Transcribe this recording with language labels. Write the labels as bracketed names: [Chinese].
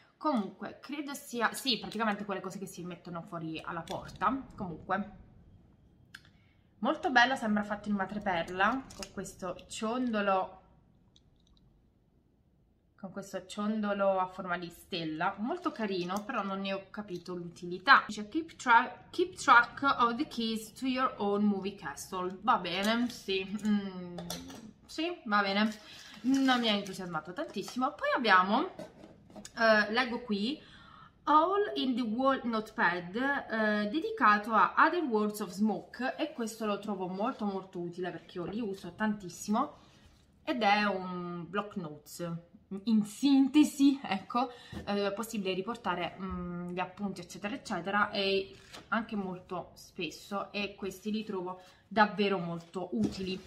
[Italian] Comunque, credo sia... Sì, praticamente quelle cose che si mettono fuori alla porta. Comunque. Molto bello, sembra fatto in madreperla. Con questo ciondolo... Con questo ciondolo a forma di stella. Molto carino, però non ne ho capito l'utilità. Dice, [English] keep track of the keys to your own movie castle. [Italian] Va bene, sì. Sì, va bene. Non mi ha entusiasmato tantissimo. Poi abbiamo... leggo qui All in the World Notepad, dedicato a Other Worlds of Smoke, e questo lo trovo molto molto utile perché io li uso tantissimo ed è un block notes in sintesi, ecco, dove è possibile riportare gli appunti eccetera eccetera, e anche molto spesso, e questi li trovo davvero molto utili.